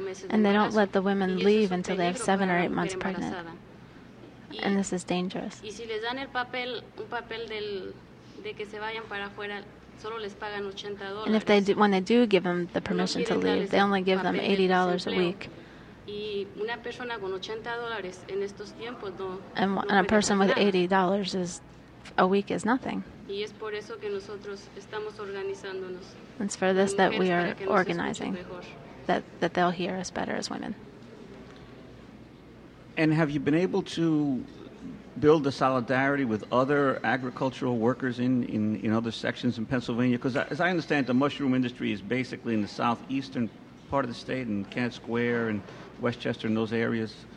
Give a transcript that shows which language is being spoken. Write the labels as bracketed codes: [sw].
[en] And they don't let the women leave until they have 7 or 8 months pregnant. And this is dangerous. [es] Y si les dan el papel, un papel del de que se vayan para afuera, solo les pagan $80. [en] And if they do, when they do give them the permission to leave, they only give them $80 a week. [es] Y una persona con $80 en estos tiempos no. [en] And a person with $80 is a week is nothing. [es] Y es por eso que nosotros estamos organizándonos. [en] It's for this that we are organizing, that they'll hear us better as women. And have you been able to build the solidarity with other agricultural workers in other sections in Pennsylvania? Because as I understand, the mushroom industry is basically in the southeastern part of the state, in Kent Square and Westchester and those areas.